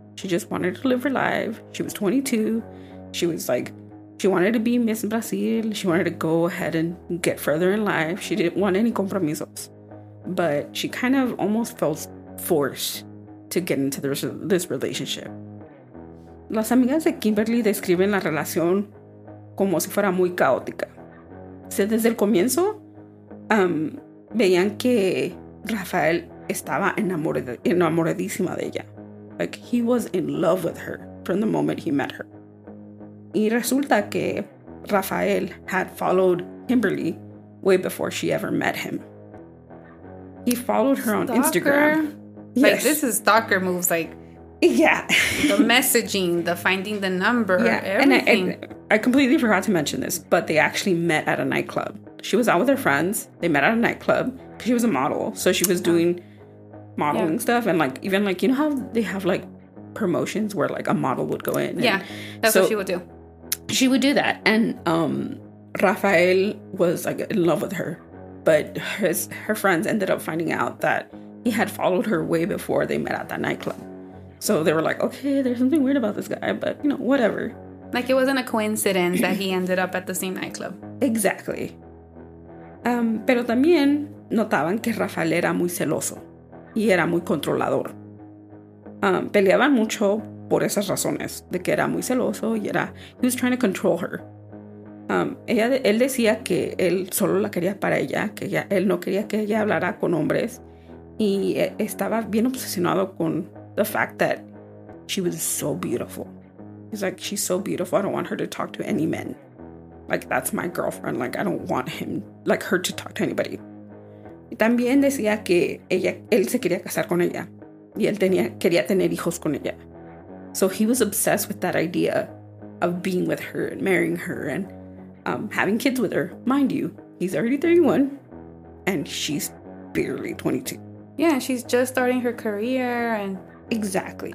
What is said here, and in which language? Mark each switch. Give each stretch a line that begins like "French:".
English: She just wanted to live her life. She was 22. She was like, she wanted to be Miss Brazil. She wanted to go ahead and get further in life. She didn't want any compromisos. But she kind of almost felt forced to get into this relationship.
Spanish: Las amigas de Kimberly describen la relación como si fuera muy caótica. So desde el comienzo, veían que Rafael estaba enamoradísima de ella.
English: Like, he was in love with her from the moment he met her.
Spanish: Y resulta que
English: Rafael had followed Kimberly way before she ever met him. He followed her stalker on Instagram. Yes. Like, this is stalker moves, like... Yeah. The messaging, the finding the number, yeah, everything. And I completely forgot to mention this, but they actually met at a nightclub. She was out with her friends. They met at a nightclub because she was a model. So she was doing modeling stuff. And, like, even, like, you know how they have, like, promotions where like a model would go in, yeah, and that's so what she would do. She would do that, and Rafael was like in love with her, but her friends ended up finding out that he had followed her way before they met at that nightclub. So they were like, okay, there's something weird about this guy, but you know, whatever. Like, it wasn't a coincidence that he ended up at the same nightclub. Exactly.
Spanish: Pero también notaban que Rafael era muy celoso y era muy controlador. Peleaban mucho por esas razones, de que era muy celoso y era...
English: He was trying to control her.
Spanish: Él decía que él solo la quería para ella, que ella, él no quería que ella hablara con hombres. Y estaba bien obsesionado con
English: the fact that she was so beautiful. He's like, she's so beautiful, I don't want her to talk to any men. Like, that's my girlfriend, like, I don't want him, like, her to talk to anybody.
Spanish: Y también decía que él se quería casar con ella. Y él quería tener hijos con ella.
English: So he was obsessed with that idea of being with her and marrying her and having kids with her. Mind you, he's already 31 and she's barely 22. Yeah, she's just starting her career. And exactly.